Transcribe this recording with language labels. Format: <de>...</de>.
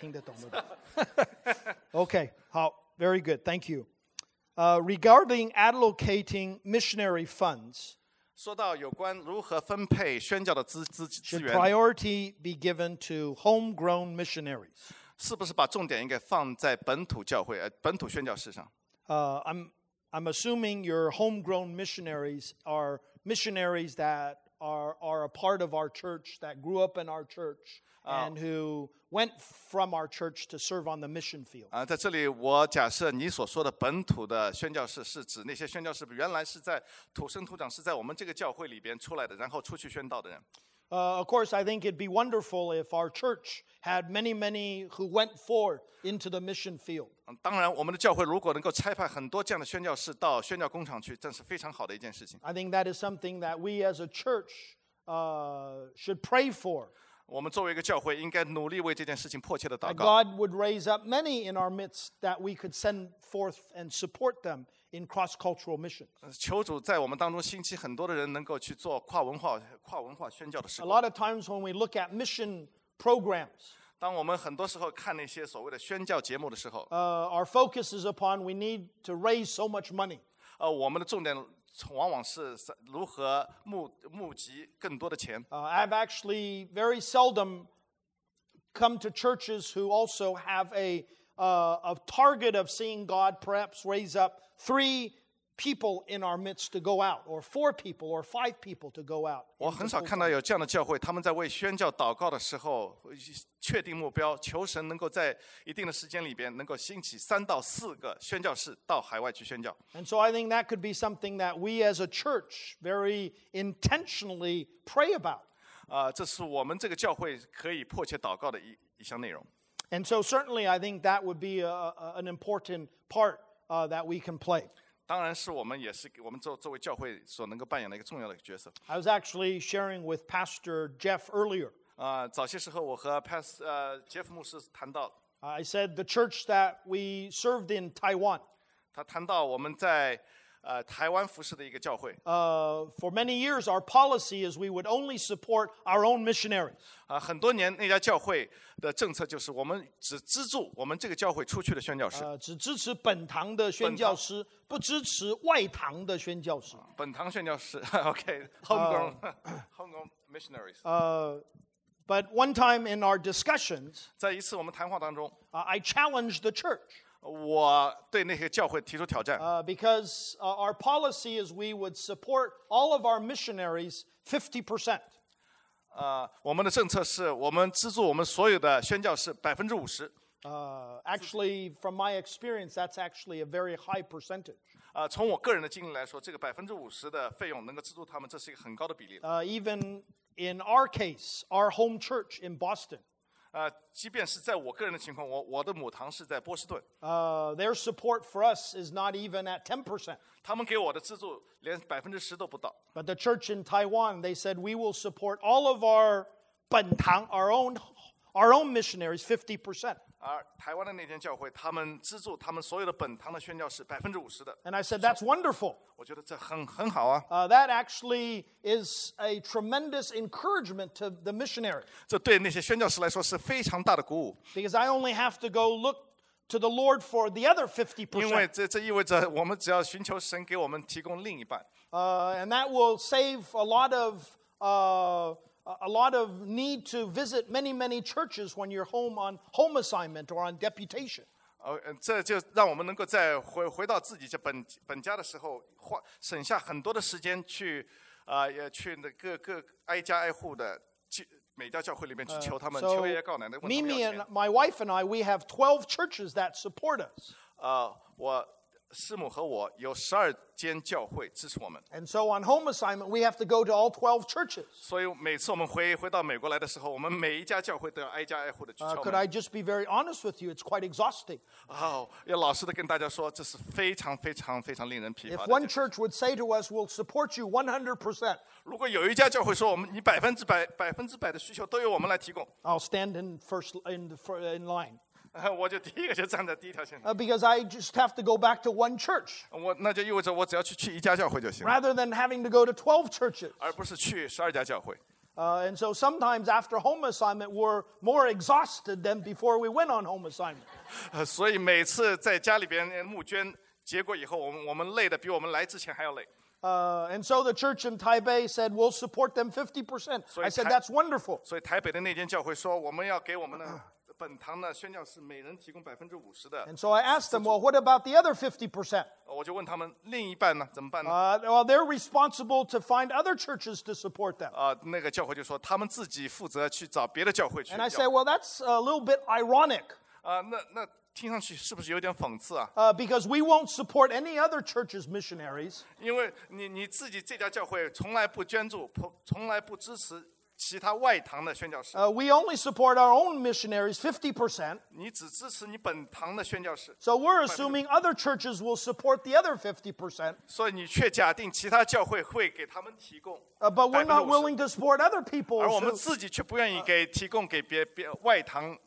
<zh>听得懂的。</zh> <en>OK，</en> <zh>好。</zh> <en>Very good, thank you. Regarding allocating missionary funds,</en> <zh>说到有关如何分配宣教的资源</zh> <en>should priority be given to homegrown missionaries?</en> <zh>是不是把重点应该放在本土教会、本土宣教士上？</zh> <en>I'm assuming your homegrown missionaries are missionaries that are a part of our church, that grew up in our church, and who went from our church to serve on the mission field.</en> <zh>在这里我假设你所说的本土的宣教士是指那些宣教士原来是在土生土长是在我们这个教会里边出来的然后出去宣道的人。</zh> <en>Of course, I think it'd be wonderful if our church had many, many who went forth into the mission field.</en> <zh>当然我们的教会如果能够差派很多这样的宣教士到宣教工厂去这是非常好的一件事情。</zh> <en>I think that is something that we as a church should pray for.</en> <zh>我们作为一个教会应该努力为这件事情迫切的祷告。</zh> <en>God would raise up many in our midst that we could send forth and support them in cross-cultural mission.</en> <zh>求主在我们当中兴起很多的人能够去做跨文化宣教的事。</zh> <en>A lot of times when we look at mission programs,</en> <zh>当我们很多时候看那些所谓的宣教节目的时候,</zh> <en>our focus is upon we need to raise so much money.</en> <zh>我们的重点往往是如何募集更多的钱。</zh> <en>I've actually very seldom come to churches who also have a target of seeing God perhaps raise up three people in our midst to go out, or four people, or five people to go out.</en> <zh>我很少看到有这样的教会，他们在为宣教祷告的时候，确定目标，求神能够在一定的时间里边，能够兴起三到四个宣教士到海外去宣教。</zh> <en>And so I think that could be something that we as a church very intentionally pray about.</en> <zh>这是我们这个教会可以迫切祷告的一项内容。</zh> <en>And so certainly I think that would be an important part that we can play.</en> <zh>当然是我们也是我们作为教会所能够扮演的一个重要的角色。</zh> <en>I was actually sharing with Pastor Jeff earlier.</en> <zh>早些时候我和 Jeff 牧师谈到。</zh> <en>I said the church that we served in Taiwan.</en> <zh>他谈到我们在台湾服事的一个教会。</zh> <en>For many years, our policy is we would only support our own missionaries.</en> <zh>很多年那家教会的政策就是我们只资助我们这个教会出去的宣教士。只支持本堂的宣教师。不支持外堂的宣教士。本堂宣教士</zh> <en>，OK， homegrown, homegrown missionaries. But one time in our discussions,</en> <zh>在一次我们谈话当中</zh> <en>，I challenged the church.</en> <zh>我对那些教会提出挑战。</zh> <en>Because our policy is we would support all of our missionaries 50%.</en> <zh>我们的政策是我们资助我们所有的宣教士50%。</zh> <en>Actually, from my experience, that's actually a very high percentage.</en> <zh>从我个人的经历来说，这个50%的费用能够资助他们，这是一个很高的比例。</zh> <en>Even in our case, our home church in Boston.</en> <zh>即便是在我个人的情况，我的母堂是在波士顿。</zh> <en>Their support for us is not even at 10%.</en> <zh>他们给我的资助连10%都不到。</zh> <en>But the church in Taiwan, they said we will support all of our 本堂 our own missionaries 50%.</en> <zh>而台湾的那间教会，他们资助他们所有的本堂的宣教士50%的。</zh> <en>And I said that's wonderful.</en> <zh>我觉得这很好啊。</zh> <en>That actually is a tremendous encouragement to the missionary.</en> <zh>这对那些宣教士来说是非常大的鼓舞。</zh> <en>Because I only have to go look to the Lord for the other 50%.</en> <zh>因为这意味着我们只要寻求神给我们提供另一半。</zh> <en>And that will save a lot of need to visit many, many churches when you're home on home assignment or on deputation.</en> <zh>这就让我们能够在回到自己本家的时候，省下很多的时间去，也去那各挨家挨户的每家教会里面去求他们，求爷爷告奶奶。</zh> <en>Mimi and my wife and I, we have 12 churches that support us.</en> <zh>我师母和我有12间教会支持我们。</zh> <en>And so on home assignment, we have to go to all 12 churches.</en> <zh>所以每次我们回到美国来的时候，我们每一家教会都要挨家挨户的去敲门。</zh> <en>Could I just be very honest with you? It's quite exhausting.</en> <zh>要老实的跟大家说，这是非常非常非常令人疲乏的。</zh> <en>If one church would say to us, "We'll support you 100%."</en> <zh>如果有一家教会说我们你100%的需求都由我们来提供。</zh> <en>I'll stand in line.</en> <zh>我就第一个就站在第一条线上。</zh> <en>Because I just have to go back to one church.</en> <zh>那就意味着我只要去一家教会就行了。</zh> <en>Rather than having to go to 12 churches.</en> <zh>而不是去12家教会。</zh> <en>And so sometimes after home assignment, we're more exhausted than before we went on home assignment.</en> <zh>所以每次在家里边募捐结果以后，我们累的比我们来之前还要累。</zh> <en>And so the church in Taipei said we'll support them 50%. I said that's wonderful.</en> <zh>所以台北的那间教会说我们要给我们的。本堂呢宣教是每人提供50%的。</zh> <en>And so I asked them, well, what about the other 50%?</en> <zh>我就问他们另一半呢怎么办呢？</zh> <en>Well, they're responsible to find other churches to support them.</en> <zh>那个教会就说他们自己负责去找别的教会去。</zh> <en>And I said, well, that's a little bit ironic.</en> <zh>那听上去是不是有点讽刺啊？</zh> <en>Because we won't support any other church's missionaries.</en> <zh>因为你自己这家教会从来不捐助，从来不支持其他外堂的宣教士。</zh> <en>We only support our own missionaries 50%.</en> <zh>你只支持你本堂的宣教士。</zh> <en>So we're assuming other churches will support the other 50%.</en> <zh>所以你却假定其他教会会给他们提供。</zh> <en>But we're not willing to support other people.</en> <zh>而我们自己却不愿意给提供给别外堂。</zh>